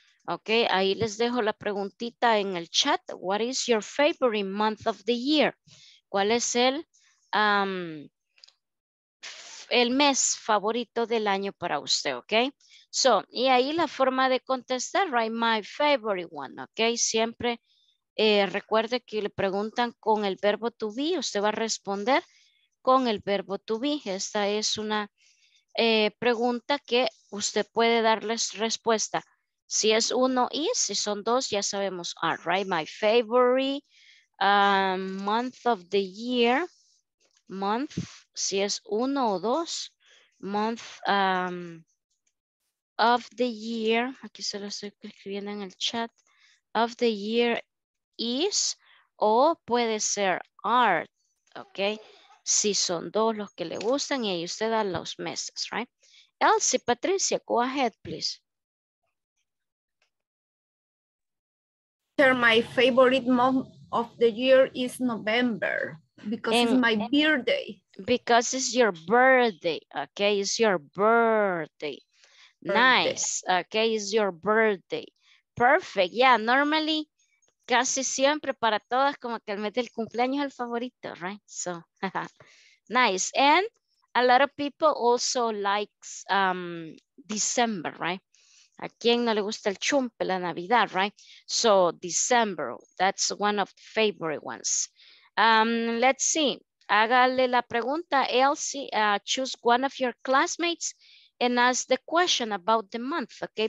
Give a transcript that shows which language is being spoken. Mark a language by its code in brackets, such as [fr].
[es] Ok, ahí les dejo la preguntita en el chat. [en] What is your favorite month of the year? [es] ¿Cuál es el mes favorito del año para usted? Ok, so, y ahí la forma de contestar, right? [en] My favorite one. [es] Ok, siempre recuerde que le preguntan con el verbo to be. Usted va a responder con el verbo to be. Esta es una pregunta que usted puede darles respuesta. Si es uno y si son dos, ya sabemos. [en] All right, my favorite month of the year. [es] Month, si es uno o dos. [en] Month of the year. [es] Aquí se lo estoy escribiendo en el chat. [en] Of the year is [es] o puede ser art. Ok. Si son dos los que le gustan y ahí usted da los meses, right? [en] Elsie, Patricia, go ahead, please. Sir, my favorite month of the year is November because it's my birthday. Because it's your birthday, okay? It's your birthday. Birthday. Nice, okay? It's your birthday. Perfect, yeah, normally, [es] casi siempre para todas, como que el mes del cumpleaños es el favorito, right? [en] So, nice. And a lot of people also likes December, right? [es] ¿A quién no le gusta el chumpe, la Navidad, right? [en] So, December, that's one of the favorite ones. Let's see. [es] Hágale la pregunta, Elsie. [en] Choose one of your classmates and ask the question about the month, okay?